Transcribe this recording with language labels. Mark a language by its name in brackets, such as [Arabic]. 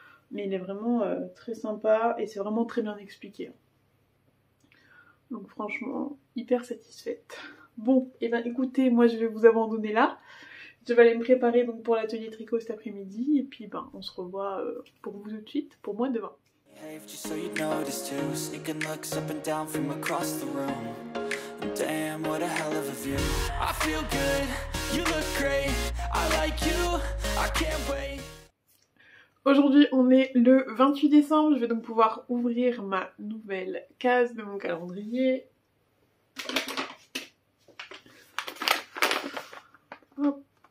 [French] Mais il est vraiment très sympa et c'est vraiment très bien expliqué. Donc, franchement, hyper satisfaite. Bon, et ben écoutez, moi je vais vous abandonner là. Je vais aller me préparer donc pour l'atelier tricot cet après-midi. Et puis, ben, on se revoit pour vous tout de suite, pour moi demain. [English] So you notice too, sneaking looks up and down from across the room. Damn, what a hell of a view. I feel good, you look great. I like you, I can't wait. [French] Aujourd'hui, on est le 28 décembre. Je vais donc pouvoir ouvrir ma nouvelle case de mon calendrier. Hop.